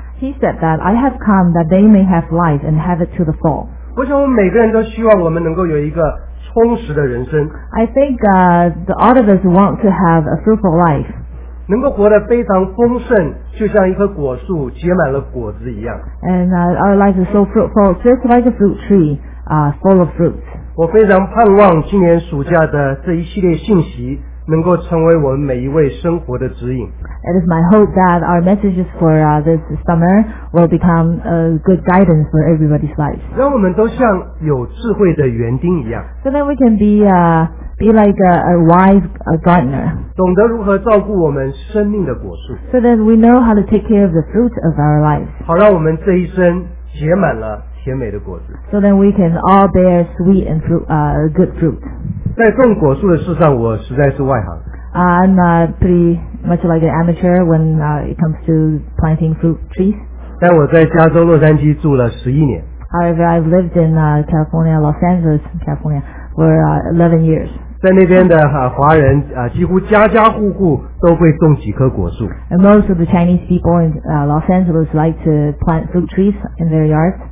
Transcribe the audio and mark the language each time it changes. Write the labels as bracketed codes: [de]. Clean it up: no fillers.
[en] He said that I have come that they may have life and have it to the full. [zh] 我想我们每个人都希望我们能够有一个 [en] I think all of us want to have a fruitful life. [zh] 能够活得非常丰盛，就像一棵果树结满了果子一样。 [en] And our life is so fruitful, just like a fruit tree, full of fruits. [zh] 我非常盼望今年暑假的这一系列信息能够成为我们每一位生活的指引。 [en] It is my hope that our messages for this summer will become a good guidance for everybody's life. [zh] 让我们都像有智慧的园丁一样。 [en] So that we can be like a wise gardener. [zh] 懂得如何照顾我们生命的果树。 [en] So that we know how to take care of the fruit of our life. [zh] 好让我们这一生结满了甜美的果子。 [en] So that we can all bear sweet and good fruit. [zh] 在种果树的事上，我实在是外行。 [en] I'm pretty much like an amateur when it comes to planting fruit trees. [zh] 但我在加州洛杉矶住了11年。 [en] However, I've lived in California, Los Angeles, California, for 11 years. [zh] 在那边的华人几乎家家户户都会种几棵果树。 [en] And most of the Chinese people in Los Angeles like to plant fruit trees in their yards.